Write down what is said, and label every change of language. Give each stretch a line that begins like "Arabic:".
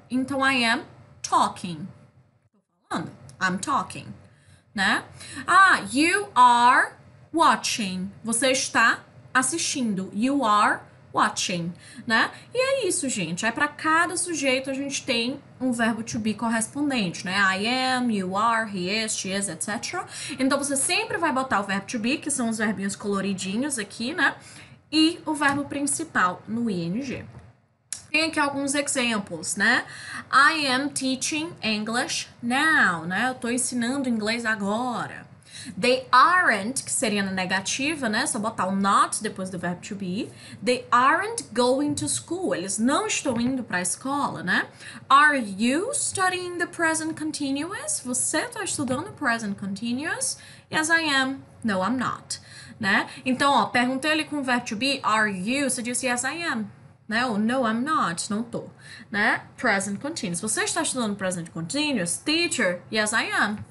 English: Então, I am talking. Falando. I'm talking, né? Ah, you are watching.
Portuguese: Você está assistindo.
English: You are watching,
Portuguese: né? E é isso, gente. É para cada sujeito a gente tem um verbo to be correspondente, né?
English: I am, you are, he is, she is, etc.
Portuguese: Então você sempre vai botar o verbo to be, que são os verbinhos coloridinhos aqui, né? E o verbo principal no ing. Tem aqui alguns exemplos, né?
English: I am teaching English now, né?
Portuguese: Eu tô ensinando inglês agora.
English: They aren't,
Portuguese: que seria na negativa, né? Só botar o not depois do verbo to be.
English: They aren't going to school.
Portuguese: Eles não estão indo para a escola, né?
English: Are you studying the present continuous?
Portuguese: Você tá estudando present continuous?
English: Yes, I am. No, I'm not,
Portuguese: né? Então, ó, perguntei ali com o verbo to be, are you? Você disse,
English: yes, I am.
Portuguese: Né? Ou
English: no, I'm not,
Portuguese: não tô, né? Present continuous. Você está estudando present continuous?
English: Teacher, yes, I am.